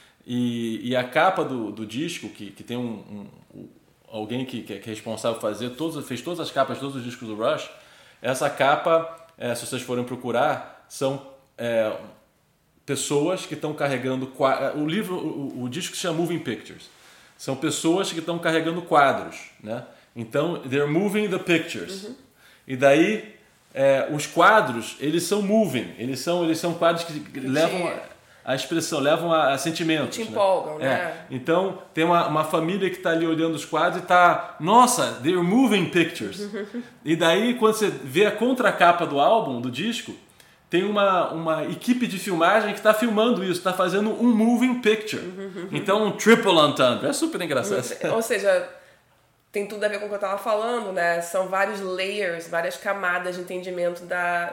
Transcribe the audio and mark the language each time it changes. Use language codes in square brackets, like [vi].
[pt] E a capa do disco, que tem alguém que é responsável por fazer, fez todas as capas, todos os discos do Rush, essa capa, se vocês forem procurar, são pessoas que estão carregando quadros. O livro, o disco se chama Moving Pictures. São pessoas que estão carregando quadros, né? [en] Então, they're moving the pictures. Uhum. [pt] E daí, os quadros, eles são moving. Eles são quadros que levam... A expressão, levam a sentimentos. E te empolgam, né? Então, tem uma família que está ali olhando os quadros e está... [en] Nossa, they're moving pictures. [pt] E daí, quando você vê a contracapa do álbum, do disco, tem uma equipe de filmagem que está filmando isso, está fazendo um moving picture. Então, um triple entendre. É super engraçado. Ou seja, tem tudo a ver com o que eu estava falando, né? São vários layers, várias camadas de entendimento da...